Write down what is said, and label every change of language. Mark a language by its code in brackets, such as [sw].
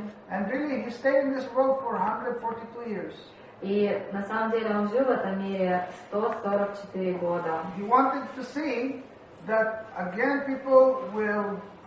[en] And really, he stayed in this world for 142 years. [ru] И на самом деле он жил в этом мире 144 года. [en] He wanted to see that again people will